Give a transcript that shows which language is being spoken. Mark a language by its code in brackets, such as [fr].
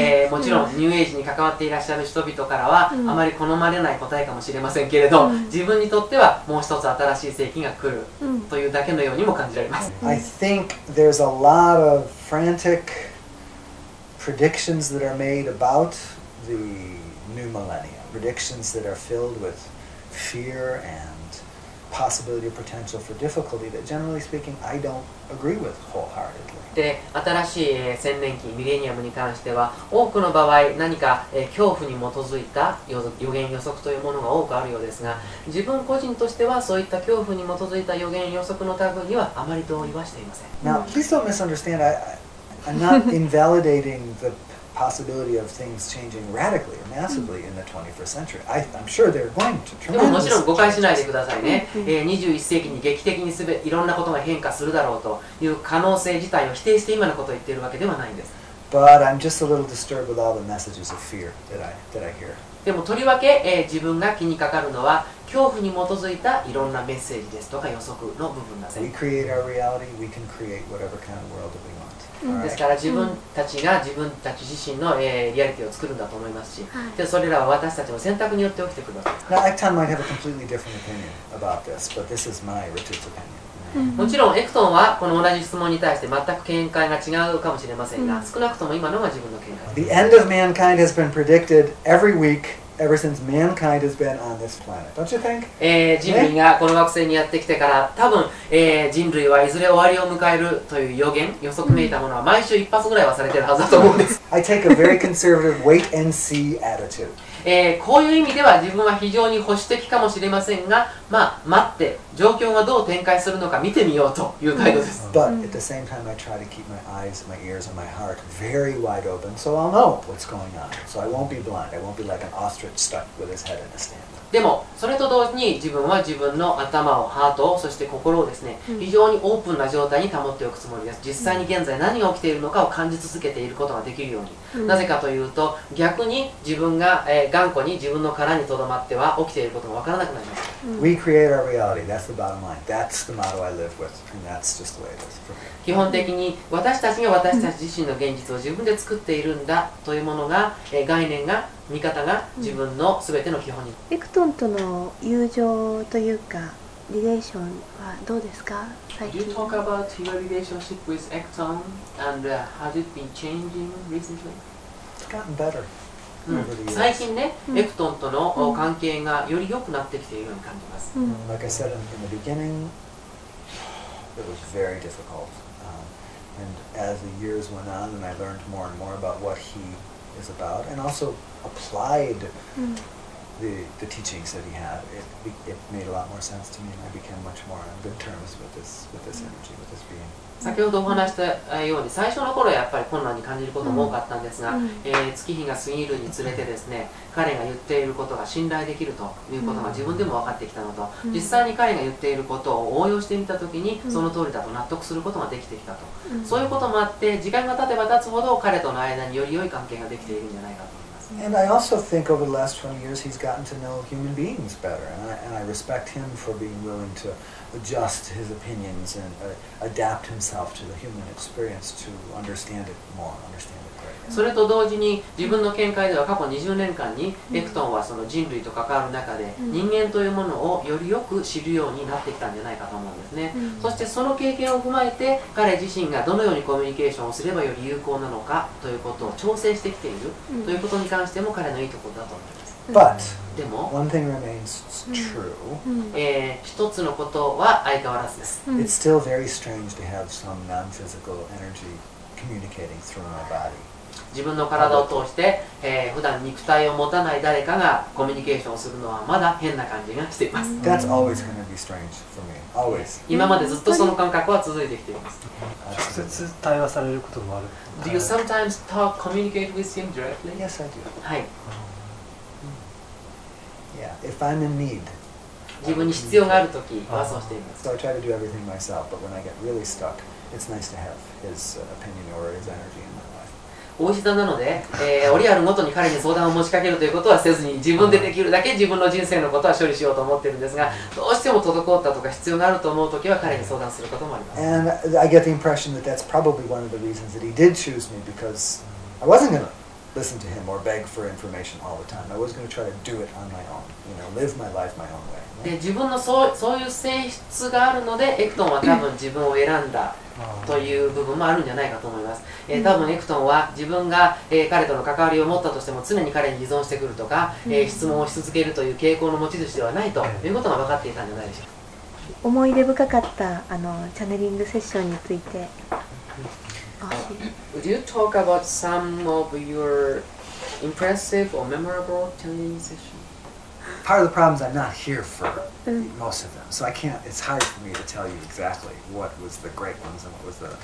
[ja] もちろんニューエイジに関わっていらっしゃる人々からはあまり好まれない答えかもしれませんけれど、自分にとってはもう一つ新しい世紀が来るというだけのようにも感じられます。 [en] I think there's a lot of frantic predictions that are made about the new millennium. Predictions that are filled with fear and possibility or potential for difficulty that generally speaking I don't agree with wholeheartedly. [ja] で新しい、千年期ミレニアムに関しては多くの場合何か、恐怖に基づいた予言予測というものが多くあるようですが、自分個人としてはそういった恐怖に基づいた予言予測の類にはあまり同意はしていません。 [en] Now please don't misunderstand I'm not invalidating the possibility of things changing radically or massively in the 21st century. I'm sure they're going to tremendously change. [ja] でももちろん誤解しないでくださいね。 21世紀に劇的にいろんなことが変化するだろうという可能性自体を否定して今のことを言っているわけではないんです。 [en] But I'm just a little disturbed with all the messages of fear that I hear. [ja] でもとりわけ、自分が気にかかるのは恐怖に基づいたいろんなメッセージですとか予測の部分だぜ。 [en] We create our reality, we can create whatever kind of world that we want. [ja] ですから自分たちが自分たち自身の、リアリティを作るんだと思いますし、でそれらは私たちの選択によって起きてくる。 [en] Now, Ekton might have a completely different opinion about this, but this is my Richard's opinion. [ja] もちろんエクトンはこの同じ質問に対して全く見解が違うかもしれませんが、少なくとも今のが自分の見解です。 [en] The end of mankind has been predicted every week. Ever since mankind has been on this planet, don't you think? [ja] 人類がこの惑星にやってきてから、多分、人類はいずれ終わりを迎えるという予言、予測めいたものは毎週一発ぐらいはされてるはずだと思うんです。 [en] I take a very conservative wait and see attitude. [ja] こういう意味では自分は非常に保守的かもしれませんが、まあ待って、状況がどう展開するのか見てみようという態度です。 [en] But at the same time, I try to keep my eyes, my ears, and my heart very wide open, so I'll know what's going on. So I won't be blind. I won't be like an ostrich stuck with his head in the sand. [ja] でもそれと同時に自分は自分の頭をハートをそして心をですね、非常にオープンな状態に保っておくつもりです。実際に現在何が起きているのかを感じ続けていることができるように、なぜかというと逆に自分が、頑固に自分の殻にとどまっては起きていることがわからなくなります。 [en] We create our reality. That's the bottom line. That's the motto I live with. And that's just the way it is for me. [ja] 基本的に私たちが私たち自身の現実を自分で作っているんだというものが、概念が見方が自分の全ての基本に、エクトンとの友情というかリレーションはどうですか最近。 [en] Do you talk about your relationship with Ekton and has it been changing recently? It's gotten better. [ja] 最近ね、エクトンとの関係がより良くなってきているように感じます。 [en] Like I said in the beginning, it was very difficult. And as the years went on and I learned more and more about what he is about and alsoapplied the teachings that he had, it made a lot more sense to me and I became much more on good terms with this energy, with this being. [ja] 先ほどお話したように最初の頃やっぱり困難に感じることも多かったんですが、月日が過ぎるにつれてですね、彼が言っていることが信頼できるということが自分でも分かってきたのと、実際に彼が言っていることを応用してみたときにその通りだと納得することができてきたと、そういうこともあって時間が経てば経つほど彼との間により良い関係ができているんじゃないかと。 [en] And I also think over the last 20 years he's gotten to know human beings better, and I respect him for being willing to adjust his opinions and adapt himself to the human experience to understand it more, understand it greater. [ja] それと同時に自分の見解では過去20年間にエクトンはその人類と関わる中で人間というものをよりよく知るようになってきたんじゃないかと思うんですね。そしてその経験を踏まえて彼自身がどのようにコミュニケーションをすればより有効なのかということを調整してきているということに関しても彼のいいところだと思います。 [en] But one thing remains true. [ja] 一つのことは相変わらずです。 [en] It's still very strange to have some non-physical energy communicating through my body. 自分の体を通して、普段肉体を持たない誰かがコミュニケーションをするのはまだ変な感じがしています。 That's always going to be strange for me. Always. [ja] 今までずっとその感覚は続いてきています。直接対話されることもある。 [en] Do you sometimes talk communicate with him directly? Yes, I do. [ja] はい。 [en] Yeah, if I'm in need. [ja] 自分に必要がある時、バーソンしています。 [en] So I try to do everything myself, but when I get really stuck, it's nice to have his opinion or his energy in my life. [ja] 大人なので、折あるごとに彼に相談を持ちかけるということはせずに、自分でできるだけ自分の人生のことは処理しようと思っているんですが、どうしても滞ったとか必要があると思う時は彼に相談することもあります。 [en] And I get the impression that that's probably one of the reasons that he did choose me, because I wasn't going to listen to him or beg for information all the time. I was going to try to do it on my own, you know, live my life my own way. [ja] で自分のそういう性質があるので、エクトンは多分自分を選んだという部分もあるんじゃないかと思います。多分エクトンは自分が、彼との関わりを持ったとしても常に彼に依存してくるとか、質問をし続けるという傾向の持ち主ではないということが分かっていたんじゃないでしょうか。思い出深かったあのチャネリングセッションについて。 [en] Would you talk about some of your impressive or memorable channeling sessions? Part of the problem is I'm not here for most of them, so I can't. It's hard for me to tell you exactly what was the great ones and what was the.